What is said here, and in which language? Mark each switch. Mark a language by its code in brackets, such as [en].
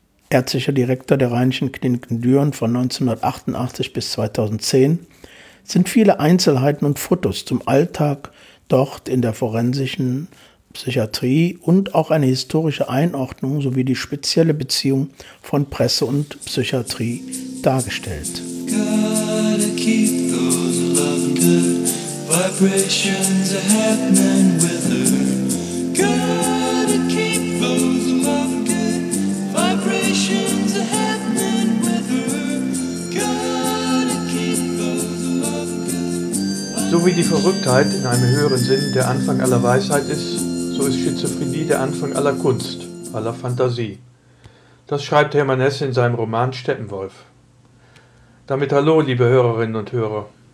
[de] ärztlicher Direktor der Rheinischen Klinik in Düren von 1988 bis 2010, sind viele Einzelheiten und Fotos zum Alltag dort in der forensischen Psychiatrie und auch eine historische Einordnung sowie die spezielle Beziehung von Presse und Psychiatrie dargestellt. [en] Gotta keep those loving good vibrations a happening with her. Gotta keep those loving good vibrations a happening with her. Gotta keep those loving good. [de] So wie die Verrücktheit in einem höheren Sinn der Anfang aller Weisheit ist, so ist Schizophrenie der Anfang aller Kunst, aller Fantasie. Das schreibt Hermann Hesse in seinem Roman Steppenwolf. Damit hallo, liebe Hörerinnen und Hörer.